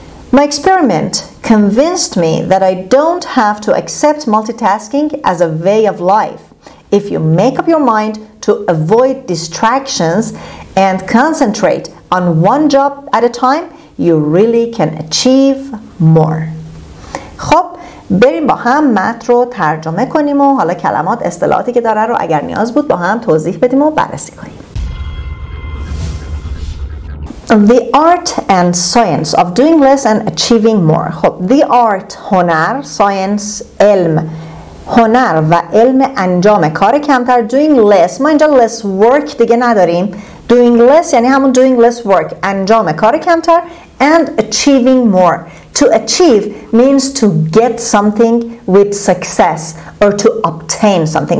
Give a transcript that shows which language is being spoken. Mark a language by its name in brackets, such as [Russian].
[English] My experiment convinced me that I don't have to accept multitasking as a way of life if you make up your mind to avoid distractions and concentrate on one job at a time, you really can achieve more. [Persian] خب بریم با هم متن رو ترجمه کنیم و حالا کلمات اصطلاحاتی که داره رو اگر نیاز بود با هم توضیح بدیم و بررسی کنیم. [English] The art and science of doing less and achieving more. [Persian] خب [English] the art [Persian] هنر، science علم، هنر و علم انجام کار کمتر. [English] Doing less، [Persian] ما اینجا [English] less work [Persian] دیگه نداریم. Doing less یعنی همون [English] doing less work، [Persian] انجام کار کمتر. [English] And achieving more. To achieve means to get something with success or to obtain something.